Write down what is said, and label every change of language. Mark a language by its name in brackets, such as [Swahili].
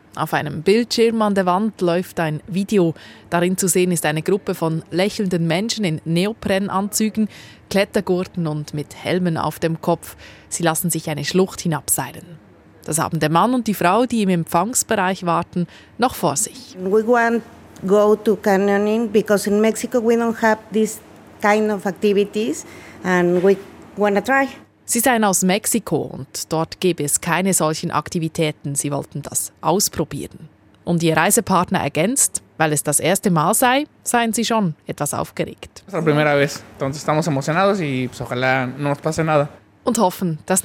[German] Auf einem Bildschirm an der Wand läuft ein Video. Darin zu sehen ist eine Gruppe von lächelnden Menschen in Neoprenanzügen, Klettergurten und mit Helmen auf dem Kopf. Sie lassen sich eine Schlucht hinabseilen. Das haben der Mann und die Frau, die im Empfangsbereich warten, noch vor sich. [English] We want to go to canyoning because in Mexico we don't have this kind of activities. And we wanna try. [German] Sie seien aus Mexiko und dort gäbe es keine solchen Aktivitäten. Sie wollten das ausprobieren. Und ihr Reisepartner ergänzt, weil es das erste Mal sei, seien sie schon etwas aufgeregt. Es ist unsere erste Mal, also sind wir emotional und hoffen, dass nichts passiert.